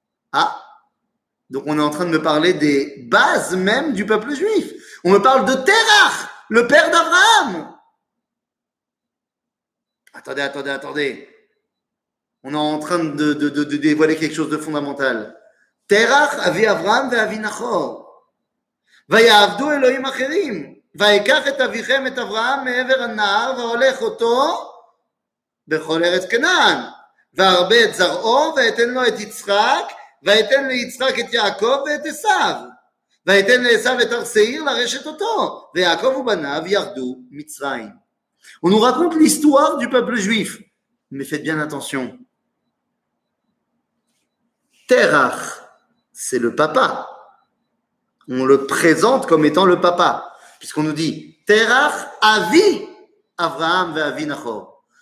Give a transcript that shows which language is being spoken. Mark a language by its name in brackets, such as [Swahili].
[French] Ah, donc on est en train de me parler des bases même du peuple juif. On me parle de Terach, le père d'Abraham. Attendez. On est en train de dévoiler quelque chose de fondamental. [Hebrew] Terach Avi Avraham Ve'Avi Nachor. ויעבדו אלוהים אחרים, ויקח את אביכם את אברהם מעבר הנהר, והולך אותו בכל ארץ כנען, והרבה את זרעו, ואתן לו את יצחק, ואתן ליצחק את יעקב ואת עשיו, ואתן לעשיו את הר סעיר לרשת אותו, ויעקב ובניו ירדו מצרים. [French] On nous raconte l'histoire du peuple juif. Mais faites bien attention. Terach, c'est le papa. On le présente comme étant le papa. puisqu'on nous dit [Hebrew] Terach avi Avraham ve avi Nachor.